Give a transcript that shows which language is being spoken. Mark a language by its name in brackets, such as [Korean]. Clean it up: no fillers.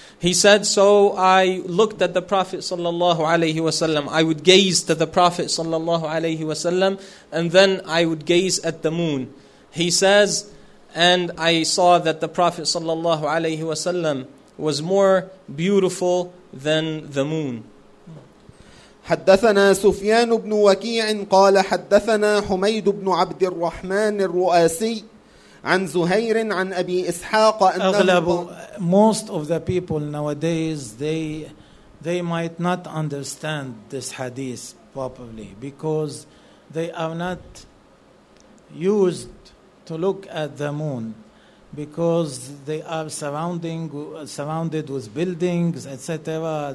[English] He said, so I looked at the Prophet [Arabic] sallallahu alayhi wasallam. [English] I would gaze to the Prophet [Arabic] sallallahu alayhi wasallam, [English] and then I would gaze at the moon. He says, and I saw that the Prophet [Arabic] sallallahu alayhi wasallam [English] was more beautiful than the moon. [Arabic] حدثنا سفيان بن وكيع قال حدثنا حميد بن عبد الرحمن الرؤاسي عن زهير عن أبي إسحاق أغلب [English] most of the people nowadays they might not understand this hadith properly because they are not used to look at the moon because they are surrounded with buildings etc.